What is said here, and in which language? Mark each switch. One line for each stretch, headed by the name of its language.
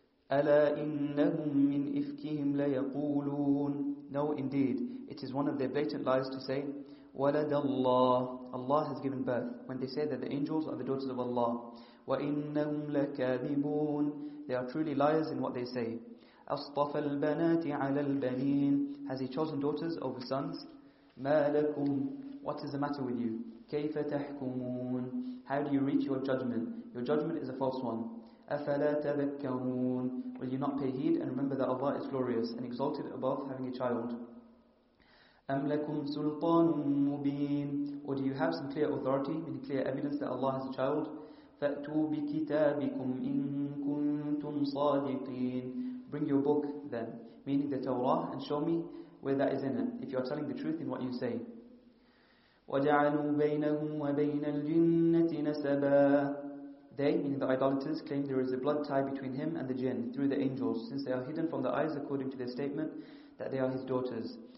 Arabic: أَلَا إِنَّهُمْ مِنْ إِفْكِهِمْ لَيَقُولُونَ
English: No, indeed, it is one of their blatant lies to say,
Arabic: وَلَدَ اللَّهِ
English: Allah has given birth, when they say that the angels are the daughters of Allah.
Arabic: وَإِنَّهُمْ لَكَاذِبُونَ
English: They are truly liars in what they say.
Arabic: أصطفى البنات على البنين
English: Has he chosen daughters over sons?
Arabic: ما لكم
English: What is the matter with you?
Arabic: كيف تحكمون
English: How do you reach your judgment? Your judgment is a false one.
Arabic: أفلا تذكرون
English: Will you not pay heed and remember that Allah is glorious and exalted above having a child?
Arabic: أم لكم سلطان مبين
English: Or do you have some clear authority, meaning clear evidence that Allah has a child?
Arabic: فأتوا بكتابكم إن كنتم صادقين
English: Bring your book then, meaning the Torah, and show me where that is in it, if you are telling the truth in what you say.
Arabic: وَجَعَلُوا بَيْنَهُمْ وَبَيْنَ الْجِنَّةِ نَسَبًا
English: They, meaning the idolaters, claim there is a blood tie between him and the jinn through the angels, since they are hidden from the eyes according to their statement that they are his daughters.